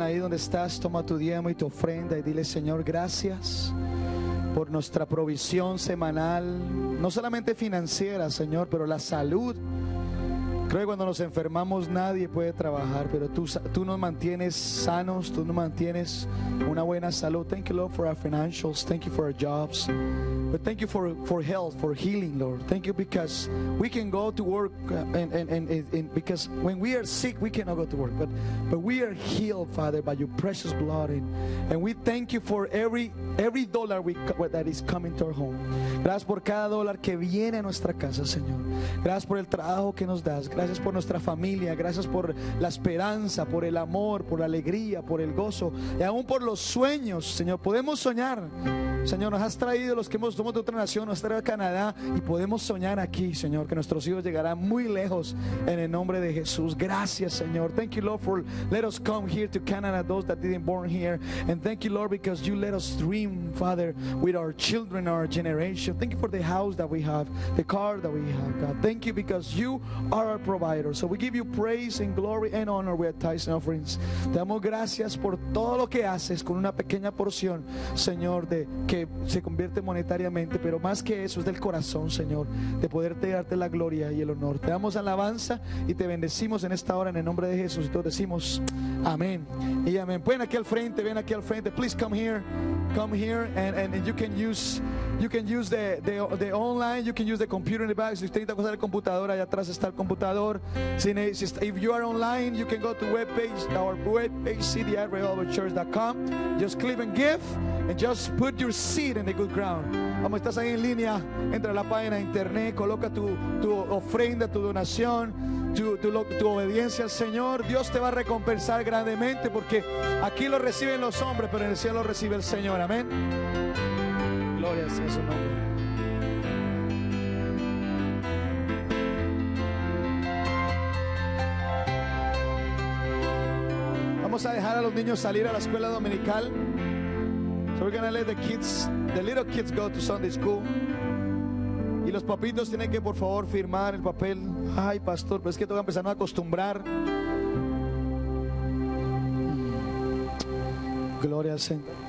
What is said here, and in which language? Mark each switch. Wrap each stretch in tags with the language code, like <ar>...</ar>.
<es>Ahí donde estás, toma tu diezmo y tu ofrenda y dile: Señor, gracias por nuestra provisión semanal, no solamente financiera, Señor, pero la salud. Creo que cuando nos enfermamos nadie puede trabajar, pero tú nos mantienes sanos, tú nos mantienes una buena salud.</es> <en>Thank you, Lord, for our financials. Thank you for our jobs. But thank you for health, for healing, Lord. Thank you because we can go to work and because when we are sick, we cannot go to work. But we are healed, Father, by your precious blood. And we thank you for every dollar that is coming to our home.</en> <es>Gracias por cada dólar que viene a nuestra casa, Señor. Gracias por el trabajo que nos das. Gracias por nuestra familia. Gracias por la esperanza, por el amor, por la alegría, por el gozo. Y aún por los sueños, Señor. Podemos soñar. Señor, nos has traído, los que somos de otra nación, nos has traído a Canadá. Y podemos soñar aquí, Señor, que nuestros hijos llegarán muy lejos en el nombre de Jesús. Gracias, Señor.</es> <en>Thank you, Lord, for let us come here to Canada, those that didn't born here. And thank you, Lord, because you let us dream, Father, with our children, our generation. Thank you for the house that we have, the car that we have, God. Thank you because you are our provider. So we give you praise and glory and honor with tithes and offerings.</en> <es>Te damos gracias por todo lo que haces con una pequeña porción, Señor, de que se convierte monetariamente, pero más que eso es del corazón, Señor, de poderte darte la gloria y el honor. Te damos alabanza y te bendecimos en esta hora en el nombre de Jesús. Y todos decimos amén y amén. Ven aquí al frente, ven aquí al frente.</es> <en>Please come here and you can use the online, you can use the computer in the back.</en> <es>Si usted necesita usar el computador, allá atrás está el computador.</es> <en>If you are online, you can go to our webpage, cdi.revivalchurch.com. Just click and give and just put your seed in the good ground.</en> <es>Como estás ahí en línea, entra a la página de internet, coloca tu ofrenda, tu donación, tu obediencia al Señor. Dios te va a recompensar grandemente, porque aquí lo reciben los hombres, pero en el cielo lo recibe el Señor. Amén. Gloria sea su nombre. Vamos a dejar a los niños salir a la escuela dominical.</es> <en>So we're going to let the little kids go to Sunday school.</en> <es>Y los papitos tienen que, por favor, firmar el papel. Ay, pastor, pero es que tengo que empezar a acostumbrar. Gloria al Señor.</es>